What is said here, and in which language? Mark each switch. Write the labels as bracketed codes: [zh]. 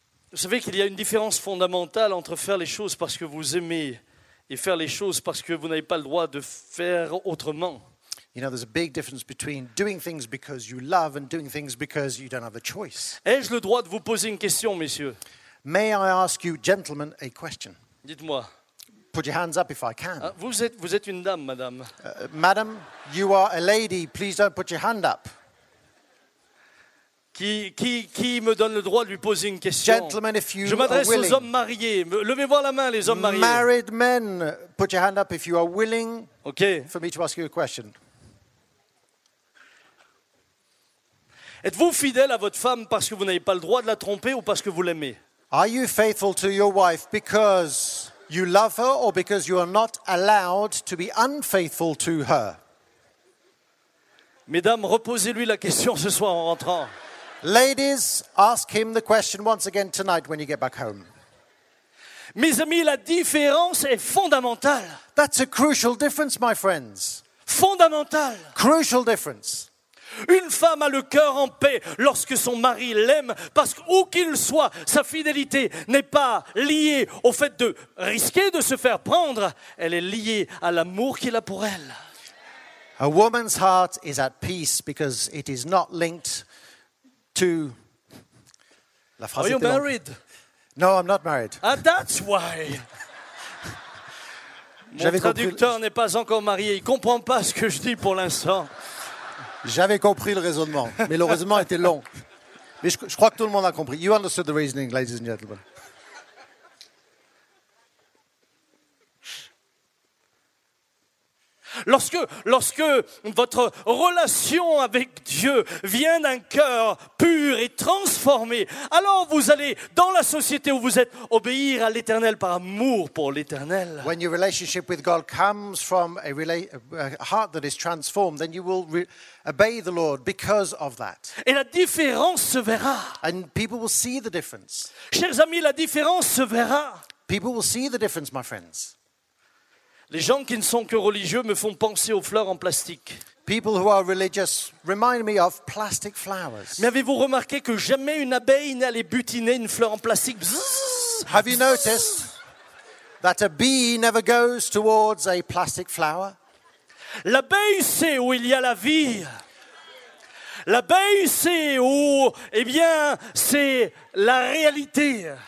[fr] Vous savez qu'il y a une différence fondamentale entre faire les choses parce que vous aimez et faire les choses parce que vous n'avez pas le droit de faire autrement. [en] You know, there's a big difference between doing things because you love and doing things because you don't have a choice. [fr] Ai-je le droit de vous poser une question, messieurs? [en] May I ask you, gentlemen, a question? [fr] Dites-moi. [en] Put your hands up if I can. [fr] Vous êtes une dame, madame. [en] Madam, you are a lady. Please don't put your hand up. [fr] Qui me donne le droit de lui poser une question? [en] Gentlemen, if you [fr] Je m'adresse aux hommes mariés. Levez voir la main, les hommes mariés. [en] Married men, put your hand up if you are willing okay. for me to ask you a question. [fr] Êtes-vous fidèle à votre femme parce que vous n'avez pas le droit de la tromper ou parce que vous l'aimez? [en] Are you faithful to your wife because you love her or because you are not allowed to be unfaithful to her? [fr] Mesdames, reposez-lui la question ce soir en rentrant. [en] Ladies, ask him the question once again tonight when you get back home. [fr] Mes amis, la différence est fondamentale. [en] That's a crucial difference, my friends. [fr] Fondamentale. [en] Crucial difference. [fr] Une femme a le cœur en paix lorsque son mari l'aime parce qu'où qu'il soit, sa fidélité n'est pas liée au fait de risquer de se faire prendre. Elle est liée à l'amour qu'il a pour elle. [en] A woman's heart is at peace because it is not linked to... [fr] La phrase [en] Are you married? No, I'm not married. Ah, that's why. [fr] Mon traducteur n'est pas encore marié. Il ne comprend pas ce que je dis pour l'instant. J'avais compris le raisonnement, mais le raisonnement était long. Mais je crois que tout le monde a compris. [en] You understood the reasoning, ladies and gentlemen. Ah, [fr] Lorsque votre relation avec Dieu vient d'un cœur pur et transformé, alors vous allez, dans la société où vous êtes, obéir à l'Éternel par amour pour l'Éternel. [en] When your relationship with God comes from a heart that is transformed, then you will obey the Lord because of that. [fr] Et la différence se verra. [en] And people will see the difference. [fr] Chers amis, la différence se verra. [en] People will see the difference, my friends. [fr] Les gens qui ne sont que religieux me font penser aux fleurs en plastique. [en] People who are religious remind me of plastic flowers. [fr] Mais avez-vous remarqué que jamais une abeille n'allait butiner une fleur en plastique? [en] Have you noticed that a bee never goes towards a plastic flower? [fr] L'abeille sait où il y a la vie. L'abeille sait où, eh bien, c'est la réalité.